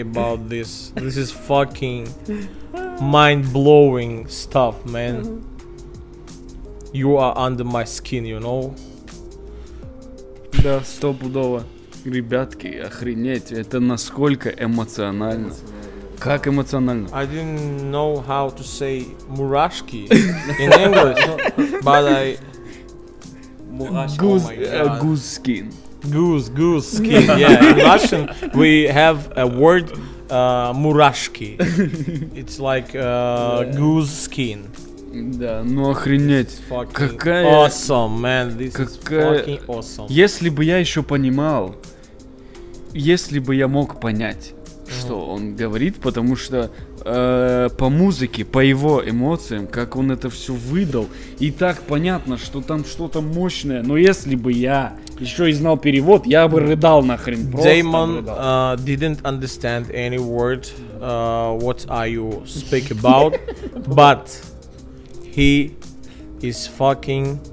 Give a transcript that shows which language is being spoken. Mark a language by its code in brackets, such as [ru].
[en] about this. This is fucking mind-blowing stuff, man. You are under my skin, you know? [ru] Да, стопудово. Ребятки, охренеть, это насколько эмоционально. Как эмоционально? [en] I didn't know how to say мурашки in English, but I... Goose skin. Goose skin, yeah. In Russian we have a word мурашки. It's like goose skin. [ru] Да, ну охренеть. Какая... [en] Awesome, man. This [ru] какая... [en] is fucking awesome. [ru] Если бы я еще понимал... Если бы я мог понять, что он говорит, потому что по музыке, по его эмоциям, как он это все выдал, и так понятно, что там что-то мощное. Но если бы я еще и знал перевод, я бы рыдал нахрен. Просто [en] Damon didn't understand any word what are you speak about, but he is fucking.